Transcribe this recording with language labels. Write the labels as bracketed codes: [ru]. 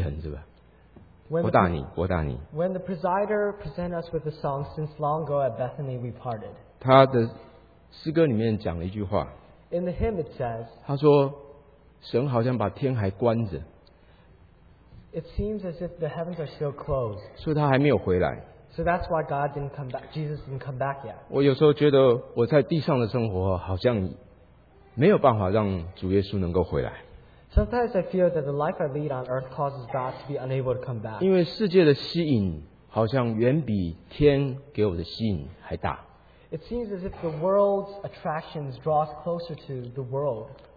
[zh] 刚才我们领会带领我们唱那条思想伯利恒是吧？我大你，我大你。 [en] When the presider presented us with the song "Since Long Ago at Bethany We Parted," [zh] 他的诗歌里面讲了一句话。 [en] In the hymn, it says, [zh] 他说, 神好像把天还关着, [en] it seems as if the heavens are still closed. [zh] 所以他还没有回来, [en] so that's why God didn't come back. Jesus didn't come back yet. [zh] 我有时候觉得我在地上的生活, 好像没有办法让主耶稣能够回来。 [en] Sometimes I feel that the life I lead on earth causes God to be unable to come back. [zh] 因为世界的吸引, 好像远比天给我的吸引还大。 [en] It seems as if the world's attractions draw us closer to the world.